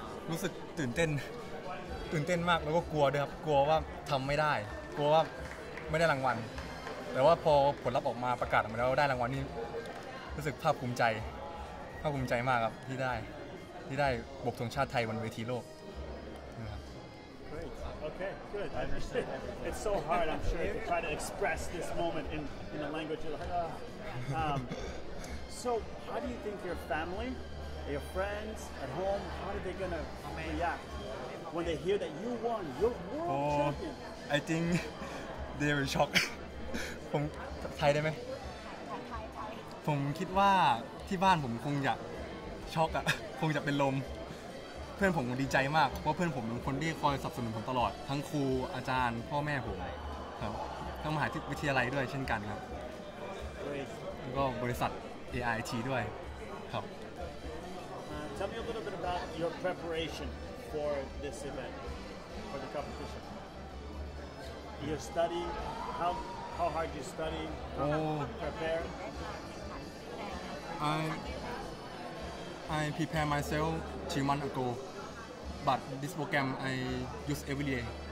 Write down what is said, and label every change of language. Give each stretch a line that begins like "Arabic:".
Thai: รู้สึกตื่นเต้นตื่นเต้นมากแล้วก็กลัวด้วยครับกลัวว่าทำไม่ได้กลัวว่าไม่ได้รางวัลแต่ว่าพอผลลัพธ์ออกมาประกาศออกมาแล้วได้รางวัลนี่รู้สึกภาคภูมิใจภาคภูมิใจมากครับที่ได้บกธงชาติไทยบนเวทีโลก ครับ
English: Great okay good I understand it's so hard I'm sure to try to express this moment in a language you like so how do you think your family your friends at home how are they gonna react when they hear that you won your world champion I think they were shocked
Thai: ผมไทยได้ไหม ไทย ผมคิดว่าที่บ้านผมคงจะช็อกอ่ะคงจะเป็นลมเพื่อนผมดีใจมากเพราะเพื่อนผมเป็นคนที่คอยสนับสนุนผมตลอดทั้งครูอาจารย์พ่อแม่ผมครับทั้งมหาวิทยาลัยด้วยเช่นกันครับแล้วก็บริษัท AIT ด้วยครับ
English: Tell me a little bit about your preparation for this event, for the competition. Your study, how hard you study, how prepare? I prepare myself 2 months ago, but this program I use every day.